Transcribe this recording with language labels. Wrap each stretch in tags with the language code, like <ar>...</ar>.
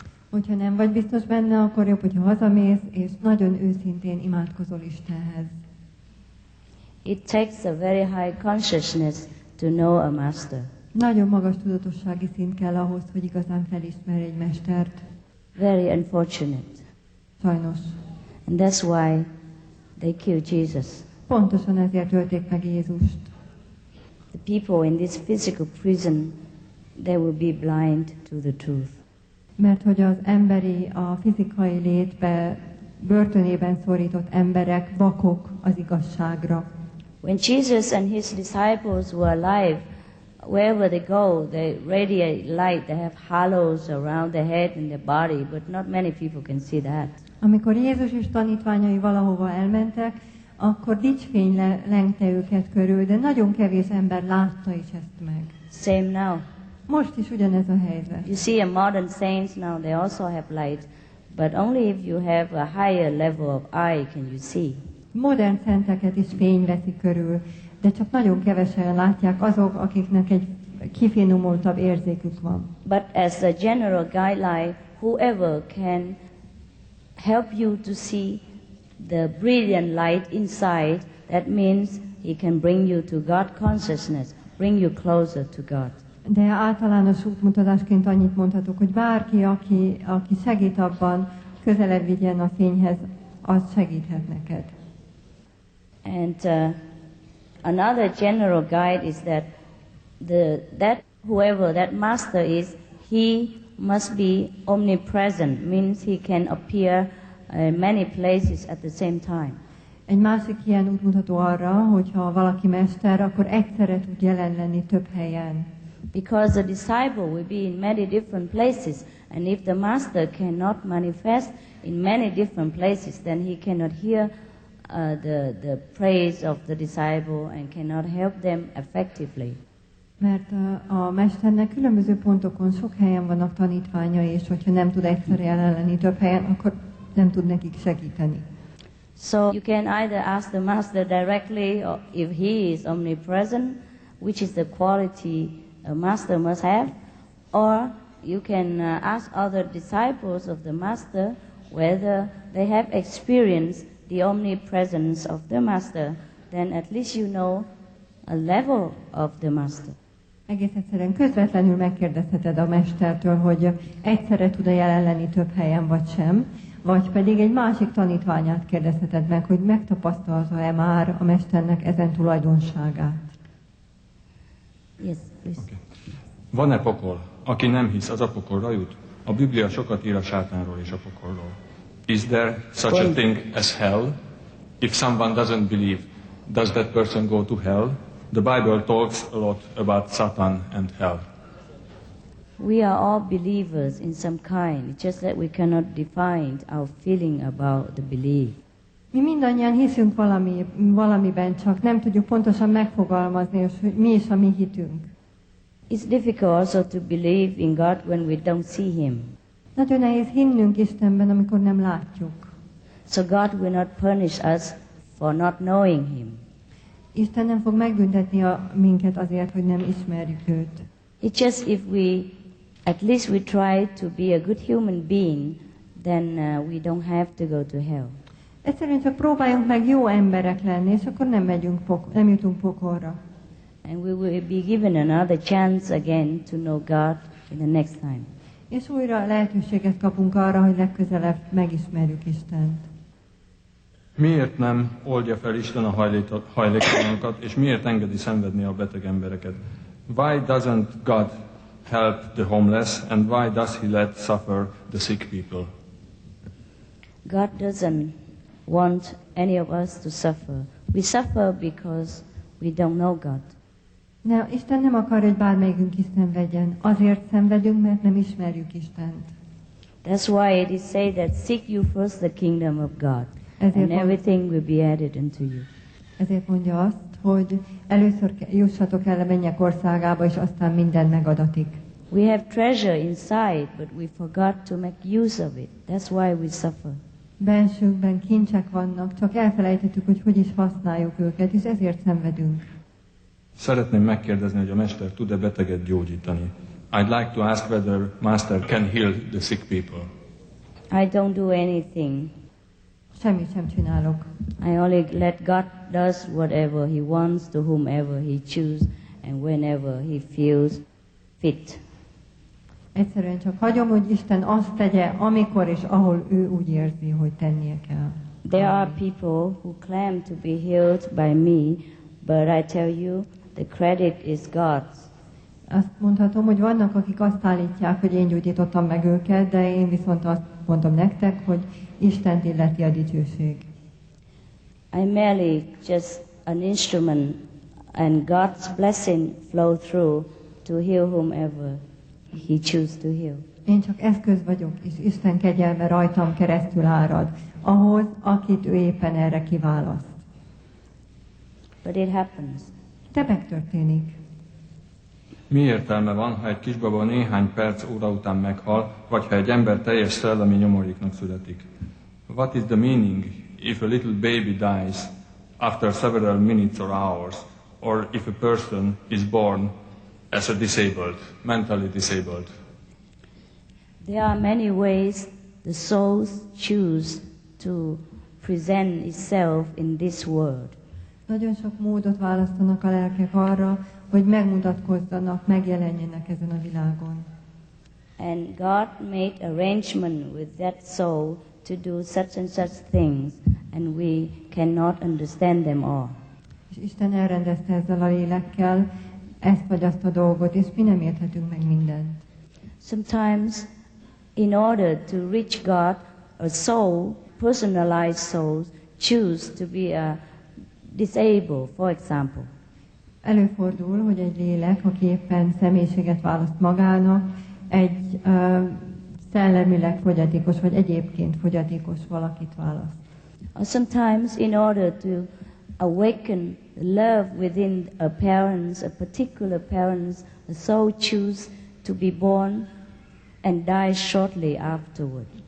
<hu>Hogyha nem vagy biztos benne, akkor jobb, hogyha hazamész, és nagyon őszintén imádkozol Istenhez.</hu> <en>It takes a very high consciousness to know a master.</en> <hu>Nagyon magas tudatossági szint kell ahhoz, hogy igazán felismerj egy mestert.</hu> <en>Very unfortunate.</en> <hu>Sajnos.</hu> <en>And that's why they killed Jesus.</en> <hu>Pontosan ezért ölték meg Jézust.</hu> <en>The people in this physical prison, they will be blind to the truth.</en> <hu>Mert hogy az emberi, a fizikai létbe börtönében szorított emberek vakok az igazságra.</hu> <en>When Jesus and his disciples were alive, wherever they go, they radiate light. They have halos around their head and their body, but not many people can see that.</en> <hu>Amikor Jézus és tanítványai valahova elmentek, akkor dicsfény lengte őket körül, de nagyon kevés ember látta is ezt meg.</hu> <en>Same now.</en> <hu>Most is ugyanez a helyzet.</hu> <en>You see a modern saints now, they also have light, but only if you have a higher level of eye can you see.</en> <hu>Modern szenteket is fény veszi körül, de csak nagyon kevesen látják azok, akiknek egy kifinomultabb érzékük van.</hu> <en>But as a general guideline, whoever can help you to see the brilliant light inside, that means he can bring you to God consciousness, bring you closer to God.</en> <hu>De általános útmutatásként annyit mondhatok, hogy bárki, aki segít abban, közelebb vigyen a fényhez, az segíthet neked.</hu> <en>And another general guide is that that whoever that master is, he must be omnipresent, means he can appear in many places at the same time.</en> <hu>Egy másik ilyen útmutató arra, hogyha valaki mester, akkor egyszerre tud jelen lenni több helyen.</hu> <en>Because the disciple will be in many different places, and if the master cannot manifest in many different places, then he cannot hear the praise of the disciple and cannot help them effectively.</en> <hu>Mert a mesternek különböző pontokon sok helyen vannak tanítványai, és hogyha nem tud egyszerre jelen lenni több helyen, akkor nem tud nekik segíteni.</hu> <en>So you can either ask the master directly, or if he is omnipresent, which is the quality a master must have, or you can ask other disciples of the master whether they have experienced the omnipresence of the master, then at least you know a level of the master.</en> <hu>Egész egyszerűen közvetlenül megkérdezheted a mestertől, hogy egyszerre tud-e jelen lenni több helyen vagy sem, vagy pedig egy másik tanítványát kérdezheted meg, hogy megtapasztalta-e már a mesternek ezen tulajdonságát.</hu> <en>Yes, please.</en> <hu>Okay. Van-e pokol? aki nem hisz, az a pokolra jut. A Biblia sokat ír a sátánról és a pokolról.</hu> <en>Is there such a thing as hell? If someone doesn't believe, does that person go to hell? The Bible talks a lot about Satan and hell. We are all believers in some kind, just that we cannot define our feeling about the belief.</en> <hu>Mi mindannyian hiszünk valamiben, csak nem tudjuk pontosan megfogalmazni, hogy mi is a mi hitünk.</hu> <en>It's difficult also to believe in God when we don't see him.</en> <hu>Nagyon nehéz hinnünk Istenben, amikor nem látjuk.</hu> <en>So God will not punish us for not knowing him.</en> <hu>Isten nem fog megbüntetni minket azért, hogy nem ismerjük őt.</hu> <en>It's just if we, at least we try to be a good human being, then we don't have to go to hell.</en> <hu>Egyszerűen csak próbáljunk meg jó emberek lenni, és akkor nem jutunk pokolra.</hu> <en>And we will be given another chance again to know God in the next time.</en> <hu>És újra lehetőséget kapunk arra, hogy legközelebb megismerjük Istent. Miért nem oldja fel Isten a hajléktalanokat, és miért engedi szenvedni a beteg embereket?</hu> <en>Why doesn't God help the homeless, and why does he let suffer the sick people? God doesn't want any of us to suffer. We suffer because we don't know God.</en> <hu>Now, Isten nem akar, hogy bármelyikünk is szenvedjen. Azért szenvedünk, mert nem ismerjük Istent.</hu> <en>That's why it is said that seek you first the kingdom of God,</en> <hu>ezért</hu> <en>and everything will be added unto you.</en> <hu>Ezért mondja azt, hogy először jussatok el a mennyek országába, és aztán minden megadatik.</hu> <en>We have treasure inside, but we forgot to make use of it. That's why we suffer.</en> <hu>Bensőkben kincsek vannak, csak elfelejtettük, hogy hogy is használjuk őket, és ezért szenvedünk. Szeretném megkérdezni, hogy a Mester tud-e beteget gyógyítani.</hu> <en>I'd like to ask whether Master can heal the sick people. I don't do anything.</en> <hu>Semmit sem csinálok.</hu> <en>I only let God does whatever he wants to whomever he chooses and whenever he feels fit.</en> <hu>Egyszerűen csak hagyom, hogy Isten azt tegye, amikor és ahol ő úgy érzi, hogy tennie kell.</hu> <en>There are people who claim to be healed by me, but I tell you, the credit is God's.</en> <hu>Azt mondhatom, hogy vannak, akik azt állítják, hogy én gyógyítottam meg őket, de én viszont azt mondom nektek, hogy Isten illeti a dicsőség.</hu> <en>I'm merely just an instrument, and God's blessing flow through to heal whomever he chooses to heal.</en> <hu>Én csak eszköz vagyok, és Isten kegyelme rajtam keresztül árad, ahhoz, akit ő éppen erre kiválaszt.</hu> <en>But it happens.</en> <hu>De megtörténik. Mi értelme van, ha egy kisbaba néhány perc óra után meghal, vagy ha egy ember teljes szellemi nyomoréknak születik?</hu> <en>What is the meaning if a little baby dies after several minutes or hours, or if a person is born as a disabled, mentally disabled? There are many ways the souls choose to present itself in this world.</en> <hu>Nagyon sok módot választanak a lelkek arra, hogy megmutatkozzanak, megjelenjenek ezen a világon.</hu> <en>And God made arrangement with that soul to do such and such things, and we cannot understand them all.</en> <hu>És Isten elrendezte ezzel a lélekkel ezt vagy azt a dolgot, és mi nem érthetünk meg mindent.</hu> <en>Sometimes, in order to reach God, a soul, personalized souls, choose to be a disabled, for example.</en> <hu>Előfordul, hogy egy lélek, aki éppen személyiséget választ magának, egy szellemileg fogyatékos, vagy egyébként fogyatékos valakit választ.</hu> <en>Or sometimes, in order to awaken love within a parents, a particular parents, a soul choose to be born and die shortly afterward.</en>